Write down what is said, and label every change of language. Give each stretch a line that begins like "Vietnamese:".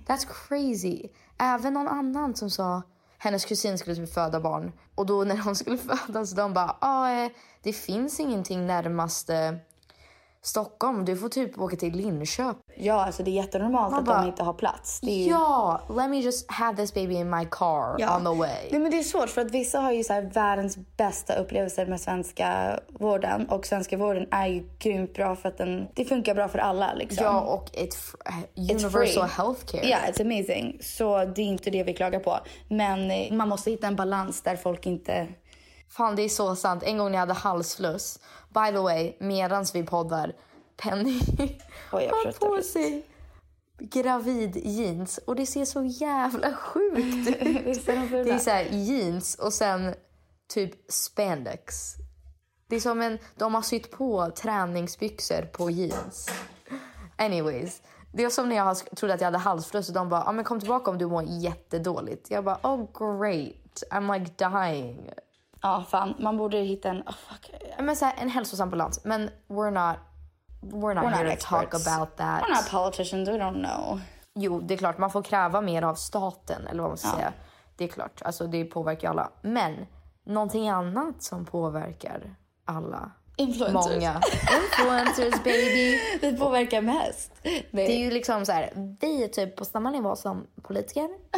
English: That's crazy.
Swedish: Även någon annan som sa hennes kusin skulle typ föda barn. Och då när hon skulle föda så de bara, det finns ingenting närmaste Stockholm. Du får typ åka till Linköping. Ja, alltså det är jättenormalt att de inte har plats. Det är ju... Ja,
English: let me just have this baby in my car on the way. Nej, men det är svårt för att vissa har ju så här världens bästa upplevelser med svenska vården. Och svenska vården är ju grymt bra för att det funkar bra för alla liksom.
Swedish: Ja, och
English: universal it's healthcare.
Swedish: Ja,
English: it's amazing.
Swedish: Så det är inte det vi klagar på. Men man måste hitta en balans där folk inte... Fan, det är så sant. En gång jag hade halsfluss.
English: By the way,
Swedish: medans vi poddar, Penny har på sig gravid jeans. Och det ser så jävla sjukt ut. Det är så här jeans och sen typ spandex. Det är som en, de har sytt på träningsbyxor på jeans.
English: Anyways,
Swedish: det är som när jag trodde att jag hade halsfluss. Och de bara, men kom tillbaka om du mår jättedåligt. Jag bara,
English: great. shit, I'm like dying.
Swedish: Ja, fan, man borde hitta en,
English: oh fuck,
Swedish: men så här, en hälsosam balans. Men
English: we're not here to talk about that. We're not politicians, we don't know.
Swedish: Jo, det är klart, man får kräva mer av staten, eller vad man ska säga. Det är klart, alltså det påverkar alla. Men, någonting annat som påverkar alla. Influencers. Många.
English: Influencers, baby.
Swedish: Det påverkar mest. Nej. Det är ju liksom så här, vi är typ på samma nivå som politiker.